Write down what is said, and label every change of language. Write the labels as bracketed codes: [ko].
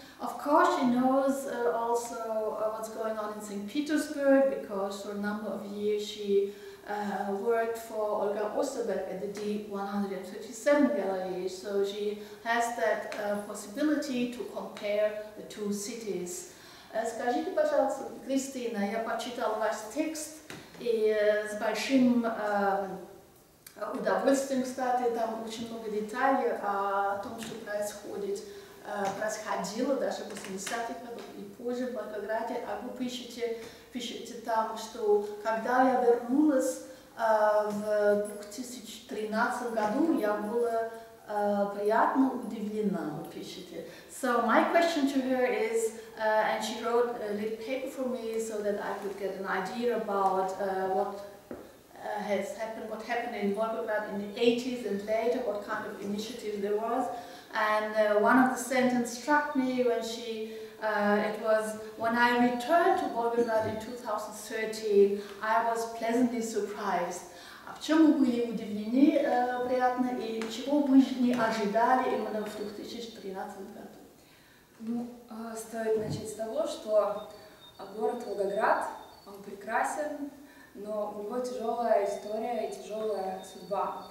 [en] Of course, she knows also what's going on in St. Petersburg, because for a number of years she worked for Olga Osterberg at the D137 gallery. So she has that possibility to compare the two cities. [ru] Скажите, пожалуйста, Кристина, я почитала ваш текст, и с большим удовольствием, кстати, там очень много деталей о том, что происходит. Происходило даже в 80-х годах и позже в Волгограде, а вы пишете там, что когда я вернулась в 2013 году, я была приятно удивлена, вы пишете. [en] So my question to her is, and she wrote a little paper for me so that I could get an idea about what has happened, what happened in Volgograd in the 80s and later, what kind of initiative there was. And one of the sentences struck me when she, it was, when I returned to Volgograd in 2013, I was pleasantly surprised. [ru] В чем вы были удивлены приятно и чего вы не ожидали именно в 2013 году? Ну, стоит начать с того, что город Волгоград, он прекрасен, но у него тяжелая история и тяжелая судьба.